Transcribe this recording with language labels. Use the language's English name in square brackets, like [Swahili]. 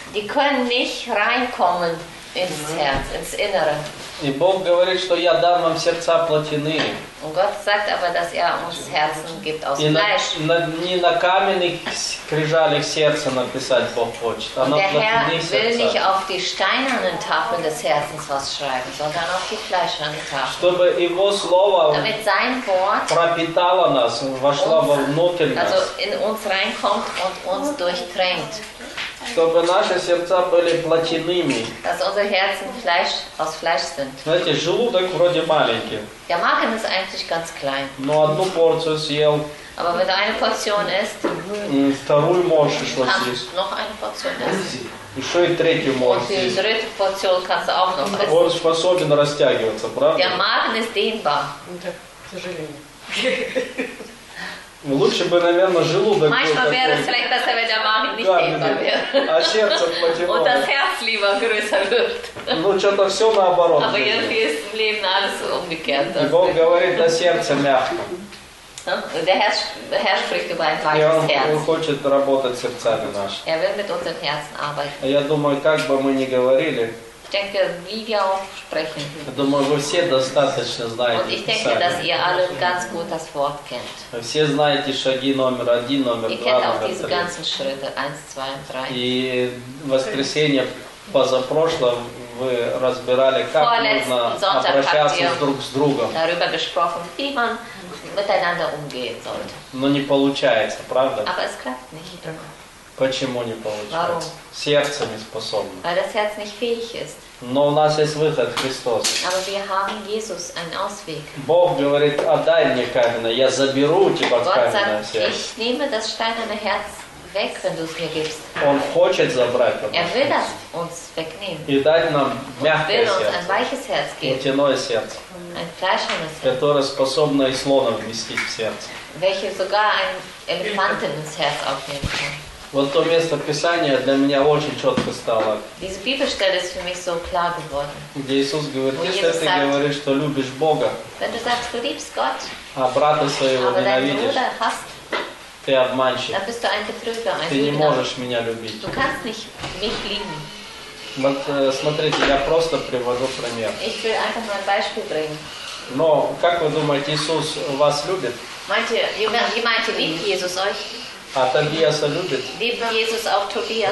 [German] Die können nicht reinkommen ins Herz, ins Innere. [Russian] И Бог говорит, что я дам вам сердца плотины. [German] Und Gott sagt aber, dass uns Herzen gibt aus Fleisch. [Russian] Не на каменных скрижалях сердца написать Бог хочет, а на плотины сердца. [German] Der Herr will nicht auf die steinernen Tafeln des Herzens was schreiben, sondern auf die fleischernen Tafeln. [Russian] Чтобы его слово пропитало нас, вошло внутрь нас. [German] Also in uns reinkommt und uns durchtränkt. [Russian] Чтобы наши сердца были плотяными. [German] Dass unsere Herzen Fleisch aus Fleisch sind. [Russian] Знаете, желудок вроде маленький. [German] Der Magen ist eigentlich ganz klein. [Russian] Но одну порцию съел. [German] Aber wenn du eine Portion isst, [Russian] вторую можешь еще съесть. [German] Noch eine Portion essen. [Russian] Еще и третью можешь съесть. [German] Und die dritte Portion kannst du auch noch essen. [Russian] Он способен растягиваться, правда? [German] Der Magen ist dehnbar. [Russian] Да, к сожалению. Лучше бы, наверное, желудок [German] Manchmal [Russian] был [German] wäre es vielleicht besser, wenn der Magen nicht dehnbar wäre. [Russian] А сердце плотяное. [German] Und das Herz lieber größer wird. [Russian] Ну, что-то все наоборот. [German] Aber irgendwie ist im Leben alles umgekehrt. [Russian] И Бог говорит, да сердце мягко. [German] Der Herr spricht über ein weiches Herz. [Russian] Он хочет работать сердцами нашими. [German] Er will mit unseren Herzen arbeiten. [Russian] Я думаю, как бы мы ни говорили, [German] ich denke, wie wir auch sprechen. [Russian] Я думаю, вы все достаточно знаете. [German] Und ich denke, dass ihr alle ganz gut das Wort kennt. [Russian] Все знаете шаги номер один, номер два, номер три. [German] Ihr kennt auch diese ganzen Schritte, 1, 2, 3. [Russian] И воскресенье позапрошлом вы разбирали, как нужно обращаться друг с другом. [German] Darüber gesprochen, wie man miteinander umgehen sollte. [Russian] Но не получается, правда? [German] Aber es klappt nicht. [Russian] Почему не получается? [German] Warum? [Russian] Сердце не способно. [German] Weil das Herz nicht fähig ist. [Russian] Но у нас есть выход, Христос. [German] Aber wir haben Jesus, einen Ausweg. [Russian] Бог говорит, отдай мне каменное, я заберу у тебя [German] Gott [Russian] каменное [German] sagt, [Russian] сердце. [German] Ich nehme das steinerne Herz weg, wenn du es mir gibst. [Russian] Он хочет забрать это. [German] Er will das uns wegnehmen. [Russian] И дать нам мягкое [German] will [Russian] сердце. [German] Uns ein weiches Herz geben. [Russian] Плотяное сердце. [German] Ein fleischernes Herz. [Russian] Которое способно и слона вместить в сердце. [German] Welche sogar ein Elefanten ins Herz aufnehmen kann. [Russian] Вот то место Писания для меня очень четко стало. [German] Diese Bibelstelle ist für mich so klar geworden. [Russian] Где Иисус говорит, если ты говоришь, что любишь Бога, [German] wenn du sagst, du liebst Gott, [Russian] а брата своего ненавидишь, [German] hast, [Russian] ты обманщик. [German] Dann bist du ein Betrüger, ein [Russian] ты не можешь меня любить. [German] Du kannst nicht mich lieben. [Russian] Вот смотрите, я просто привожу пример. [German] Ich will einfach mal ein Beispiel bringen. [Russian] Но как вы думаете, Иисус вас любит? [German] Meinte, liebt Jesus euch? [Russian] А Тобиаса любит? [German] Liebt Jesus auch Tobias?